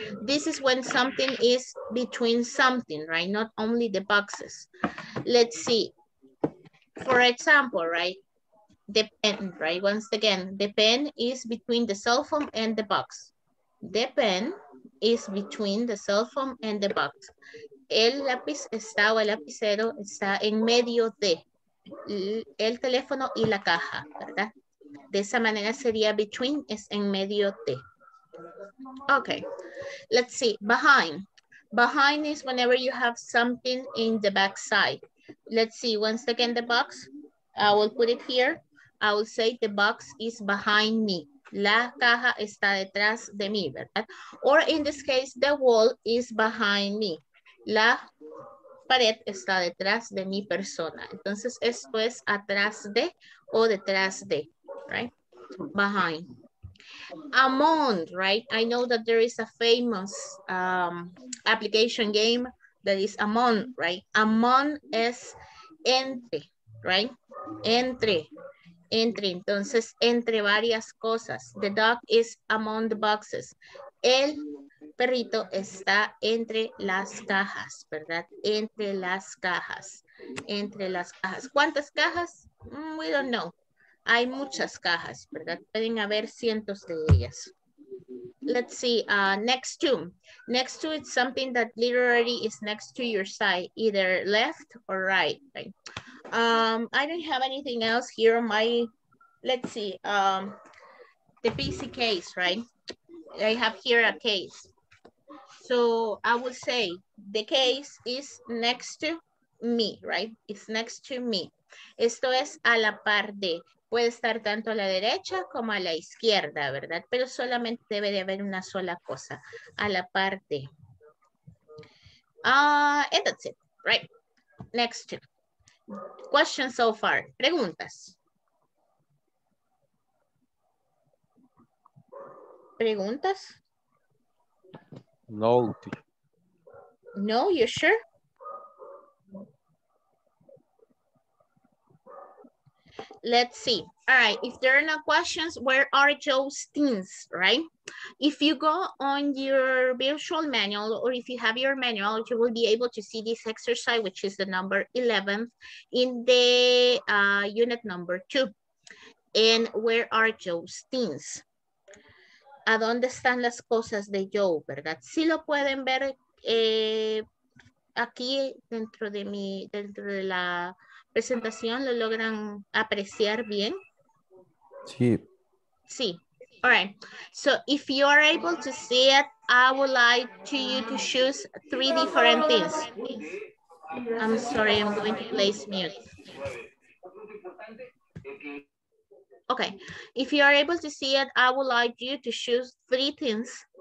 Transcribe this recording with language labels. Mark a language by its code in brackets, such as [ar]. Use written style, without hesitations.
[en] This is when something is between something, right? Not only the boxes. Let's see. For example, right? The pen, right? Once again, the pen is between the cell phone and the box. The pen is between the cell phone and the box. [es] El lápiz está o el lapicero está en medio de el teléfono y la caja, ¿verdad? De esa manera sería between, es en medio de. [en] Okay, let's see, behind. Behind is whenever you have something in the back side. Let's see, once again, the box. I will put it here. I will say the box is behind me. [es] La caja está detrás de mí, ¿verdad? [en] Or in this case, the wall is behind me. [es] La pared está detrás de mi persona. Entonces, esto es atrás de o detrás de. [en] Right, behind, among, right? I know that there is a famous application game that is among, right? [es] Among es entre, right? Entre, entre, entonces entre varias cosas. [en] The dog is among the boxes. [es] El perrito está entre las cajas, ¿verdad? Entre las cajas, entre las cajas. ¿Cuántas cajas? [en] We don't know. [es] Hay muchas cajas, ¿verdad? Pueden haber cientos de ellas. [en] Let's see, next to. Next to is something that literally is next to your side, either left or right, right? I don't have anything else here on my, let's see, the PC case, right? I have here a case. So I would say the case is next to me, right? It's next to me. [es] Esto es a la par de. Puede estar tanto a la derecha como a la izquierda, ¿verdad? Pero solamente debe de haber una sola cosa, a la parte. [en] And that's it, right? Next two. Questions so far. Preguntas. [es] Preguntas. No. [en] No, you sure? Let's see. All right. If there are no questions, where are Joe's things, right? If you go on your virtual manual or if you have your manual, you will be able to see this exercise, which is the number 11 in the unit number 2. And where are Joe's things? [es] ¿A dónde están las cosas de Joe, verdad? Sí lo pueden ver aquí dentro de mi, dentro de la presentación, ¿lo logran apreciar bien? Sí. [en] Sí. All right. So if you are able to see it, I would like to you to choose three different things. I'm sorry, I'm going to place mute. Okay. If you are able to see it, I would like you to choose three things.